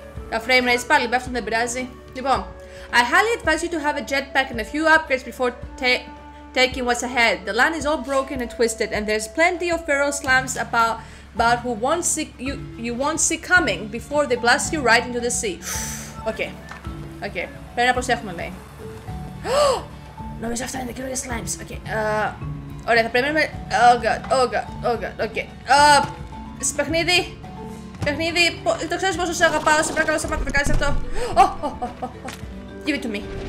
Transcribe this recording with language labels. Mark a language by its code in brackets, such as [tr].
[el] Τα frame rates πάλι πέφτουν, δεν πειράζει. [en] Λοιπόν, I highly advise you to have a jetpack and a few upgrades before taking what's ahead. The land is all broken and twisted, and there's plenty of feral slimes about who won't see you won't see coming before they blast you right into the sea. Okay. Okay. [el] Πρέπει να προσέχουμε, λέει. Νομίζω αυτά είναι τα καινούργια slimes. Okay. Ωραία, θα πρέπει να. Oh god. Okay. Σε παιχνίδι. Παιχνίδι. Το ξέρεις πόσο σε αγαπάω. Σε παρακαλώ, σε πάρτε να κάνεις αυτό. [en] Give it to me.